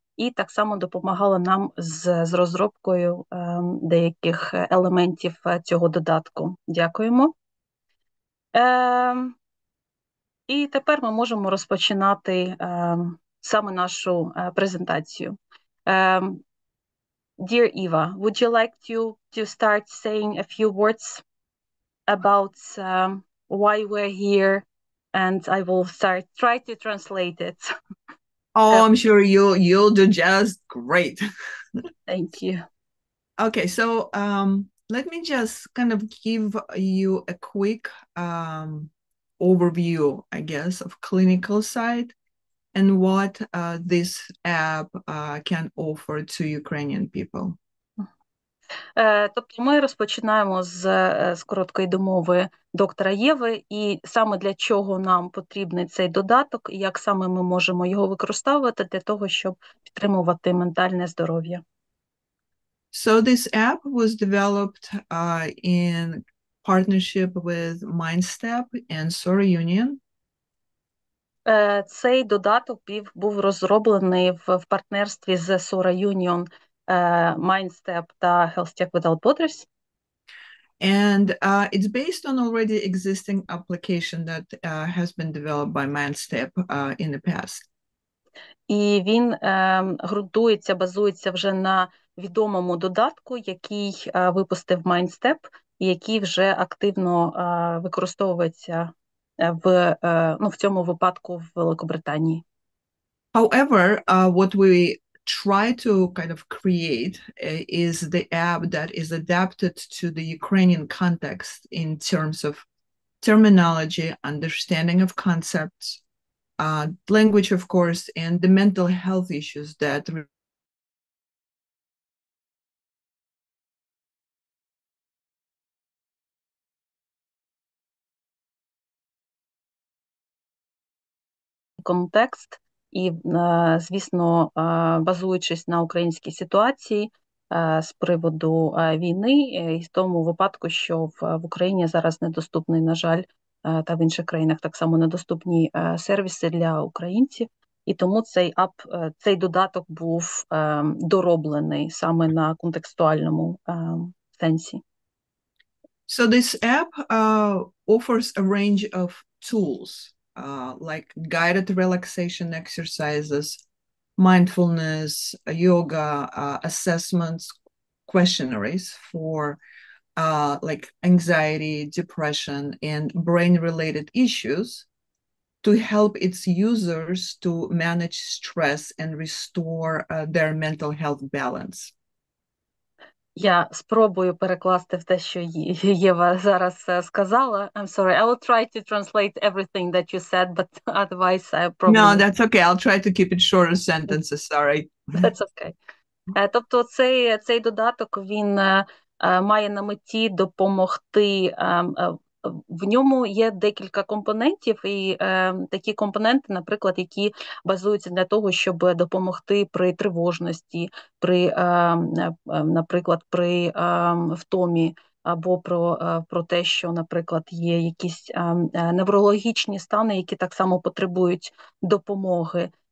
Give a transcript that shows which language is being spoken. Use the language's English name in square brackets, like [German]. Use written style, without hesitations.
[Ukrainian] І так само допомагала нам з розробкою деяких елементів цього додатку. Дякуємо. І тепер ми можемо розпочинати саме нашу презентацію. [English] Dear Eva, would you like to start saying a few words about why we're here, and I will start try to translate it. Oh, I'm sure you'll do just great. Thank you. Okay, so let me just kind of give you a quick overview, I guess, of clinical side and what this app can offer to Ukrainian people. [Ukrainian] Тобто ми розпочинаємо з короткої домови доктора Єви і саме для чого нам потрібний цей додаток і як саме ми можемо його використовувати для того, щоб підтримувати ментальне здоров'я. [English] So this app was developed in partnership with Mindstep and Sora Union. [Ukrainian] Цей додаток був розроблений в партнерстві з Sora Union, Mindstep та Health Tech Without Borders. [English] And it's based on already existing application that has been developed by Mindstep in the past. [Ukrainian] І він ґрунтується, базується вже на відомому додатку, який випустив Mindstep, який вже активно використовується в цьому випадку в Великобританії. [English] However, what we try to kind of create is the app that is adapted to the Ukrainian context in terms of terminology, understanding of concepts, language, of course, and the mental health issues that [Ukrainian] контекст, і, звісно, базуючись на українській ситуації з приводу війни, і в тому випадку, що в Україні зараз недоступний, на жаль, та в інших країнах так само недоступні сервіси для українців, і тому цей ап, цей додаток був дороблений саме на контекстуальному сенсі. [English] So this app offers a range of tools. Like guided relaxation exercises, mindfulness, yoga, assessments, questionnaires for like anxiety, depression, and brain-related issues to help its users to manage stress and restore their mental health balance. [Ukrainian] Я спробую перекласти в те, що Єва зараз сказала. [English] I'm sorry, I will try to translate everything that you said, but otherwise I probably... No, that's okay. I'll try to keep it shorter sentences, sorry. That's okay. [Ukrainian] Тобто цей додаток, він має на меті допомогти... В ньому є декілька компонентів, і такі компоненти, наприклад, які базуються для того, щоб допомогти при тривожності, при, наприклад, при втомі, або про те, що, наприклад, є якісь неврологічні стани, які так само потребують допомоги.